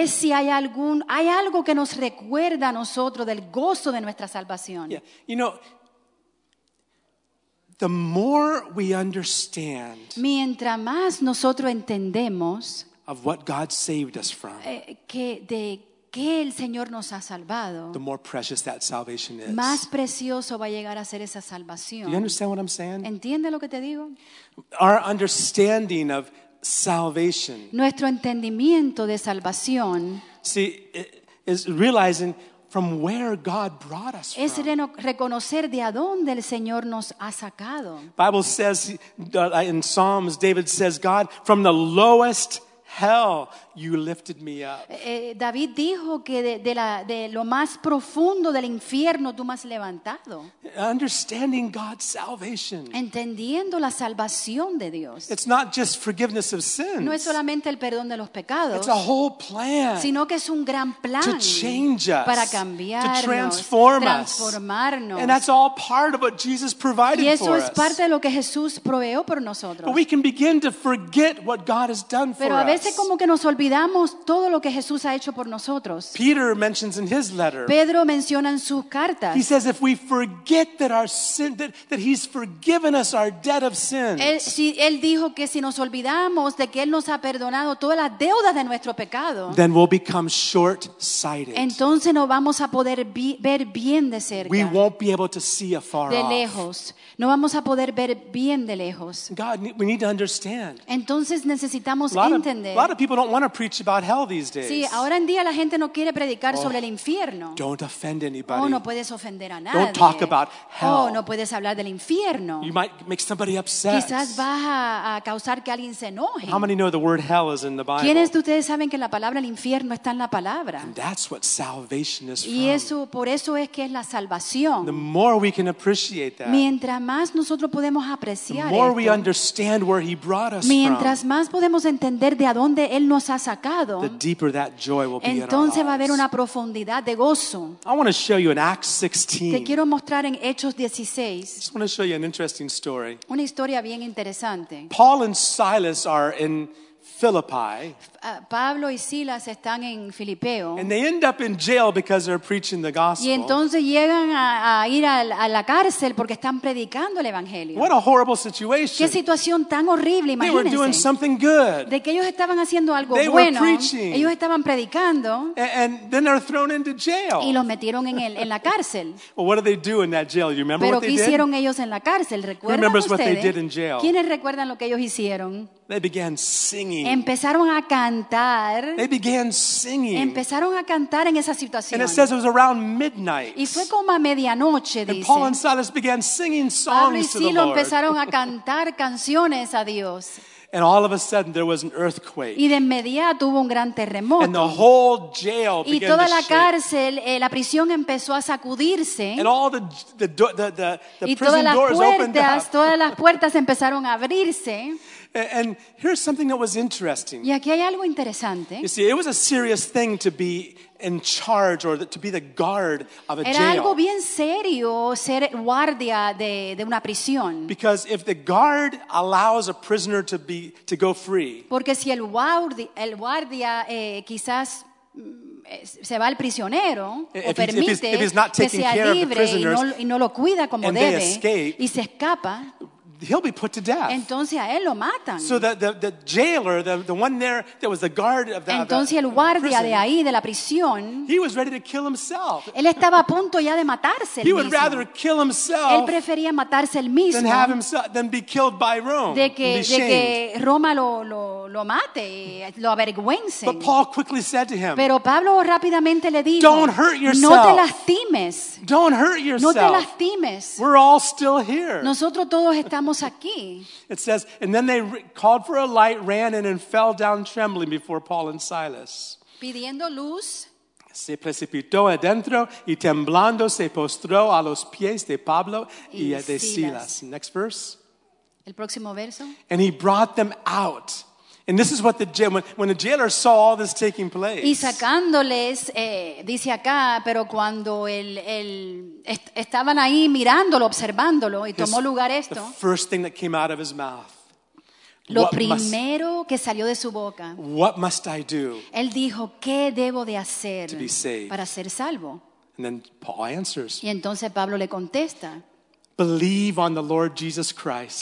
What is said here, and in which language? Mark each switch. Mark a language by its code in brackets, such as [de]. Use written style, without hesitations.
[es] Es si hay algo que nos recuerda a nosotros del gozo de nuestra salvación. [en] Yeah. You know, the more we understand, [es] mientras más nosotros entendemos [en] of what God saved us from, [es] que de que el Señor nos ha salvado, [en] the more precious that salvation is. [es] Más precioso va a llegar a ser esa salvación. [en] Do you understand what I'm saying? [es] ¿Entiende lo que te digo? [en] Our understanding of salvation. [es] Nuestro entendimiento de salvación. [en] See, is realizing from where God brought us [es] es [en] from. [es] Es reconocer de a dónde el Señor nos ha sacado. [en] Bible says, in Psalms, David says, God, from the lowest hell, you lifted me up. [es] David dijo que de lo más profundo del infierno tú me has levantado. [en] Understanding God's salvation. [es] Entendiendo la salvación de Dios. [en] It's not just forgiveness of sins. [es] No es solamente el perdón de los pecados. [en] It's a whole plan. [es] Sino que es un gran plan. [en] To change us. [es] Para cambiarnos. [en] To transform us. [es] Transformarnos. [en] And that's all part of what Jesus provided for us. [es] Y eso es parte de lo que Jesús proveó por nosotros. [en] But we can begin to forget what God has done for us. [es] A veces como que nos olvidamos todo lo que Jesús ha hecho por nosotros. [en] Peter mentions in his letter, [es] Pedro menciona en sus cartas. [en] He says if we forget that our sin that he's forgiven us our debt of sins. [es] Él dijo que si nos olvidamos de que él nos ha perdonado todas las deudas de nuestro pecado, [en] then we'll become short-sighted. [es] Entonces no vamos a poder ver bien de cerca. [en] We won't be able to see afar [es] de lejos. No vamos a poder ver bien de lejos. [en] God, we need to understand. [es] Entonces necesitamos [en] a lot of people don't want to preach about hell these days. [es] Sí, ahora en día la gente no quiere predicar sobre el infierno. [en] Don't offend anybody. [es] Oh, no puedes ofender a nadie. [en] Don't talk about hell. [es] Oh, no puedes hablar del infierno. [en] You might make somebody upset. [es] Quizás vas a causar que alguien se enoje. [en] How many know the word hell is in the Bible? [es] ¿Quiénes de ustedes saben que la palabra el infierno está en la palabra? [en] And that's what salvation is [es] y eso, [en] from. [es] Por eso es que es la salvación. [en] The more we can appreciate that. [es] Mientras más nosotros podemos apreciar [en] the more [es] esto, [en] we understand where he brought us [es] mientras [en] from. [es] Mientras más podemos entender de a dónde Él nos ha sacado, [en] the deeper that joy will be [es] entonces [en] in our [es] va a haber una profundidad de gozo. [en] I want to show you in Acts 16. [es] Te quiero mostrar en Hechos 16. [en] I just want to show you an interesting story. [es] Una historia bien interesante. [en] Paul and Silas are in Philippi. [es] Pablo y Silas están en Filipeo. [en] And they end up in jail because they're preaching the gospel. [es] Y entonces llegan a ir a la cárcel porque están predicando el evangelio. [en] What a horrible situation. [es] Qué situación tan horrible, imagínense. [en] They were doing something good. [es] De que ellos estaban haciendo algo [en] they [es] bueno. [en] Were preaching. [es] Ellos estaban predicando. [en] And then they're thrown into jail. [es] Y los metieron en la cárcel. [en] Well, what did they do in that jail? You remember [es] pero [en] what they [es] ¿qué hicieron [en] did? [es] Ellos en la cárcel? ¿Recuerdan [en] remembers [es] ustedes? [en] What they did in jail. [es] ¿Quiénes recuerdan lo que ellos hicieron? [en] They began singing. singing. [es] Empezaron a cantar. [en] They began singing. [es] Empezaron a cantar en esa situación. [en] And it says it was around midnight. [es] Y fue como a medianoche, dice. [en] And Paul and Silas began singing songs to the Lord. [es] Pablo y Silo empezaron a cantar canciones a Dios. [en] And all of a sudden there was an earthquake. [es] Y de inmediato hubo un gran terremoto. [en] And the whole jail began [es] y toda la [en] to shake. [es] Cárcel, la prisión empezó a sacudirse. [en] And all the [es] y [en] prison [es] todas las [en] doors [es] puertas, [en] opened up. [es] Todas las puertas empezaron a abrirse. [en] And here's something that was interesting. [es] Y aquí hay algo interesante. [en] You see, it was a serious thing to be in charge or to be the guard of a [es] era Algo bien serio ser guardia de una prisión. [en] Because if the guard allows a prisoner to go free, [es] porque si el guardia quizás se va al prisionero [en] if [es] o permite [en] if he's not taking [es] que sea [en] care [es] libre [en] of the [es] y no lo cuida como [en] and [es] debe [en] they escape, [es] y se escapa, [en] he'll be put to death. [es] Entonces a él lo matan. [en] So the jailer, the one there that was the guard of the [es] entonces el guardia [en] prison, [es] de ahí de la prisión, [en] he was ready to kill himself. [es] Él estaba a punto ya de matarse [en] he Would rather kill himself [es] él prefería matarse el mismo [en] than have himself than be killed by Rome. [es] De que Roma lo mate, lo avergüence. [en] But Paul quickly said to him, [es] pero Pablo rápidamente le dijo, [en] don't hurt yourself. [es] No te lastimes. [en] Don't hurt yourself. [es] No te lastimes. [en] We're all still here. [es] Nosotros todos estamos aquí. [en] It says, and then they called for a light, ran in, and fell down trembling before Paul and Silas. [es] Pidiendo luz, se precipitó adentro y temblando se postró a los pies de Pablo y de Silas. [en] Next verse. [es] El próximo verso. [en] And he brought them out. And this is what the jailer, when the jailer saw all this taking place. [es] Y sacándoles, dice acá, pero cuando estaban ahí mirándolo, observándolo, y tomó lugar esto. [en] The first thing that came out of his mouth. [es] Lo primero que salió de su boca. [en] What must I do? [es] Él dijo, ¿qué debo de hacer [en] to be saved? [es] Para ser salvo? [en] And then Paul answers. [es] Y entonces Pablo le contesta. [en] Believe on the Lord Jesus Christ.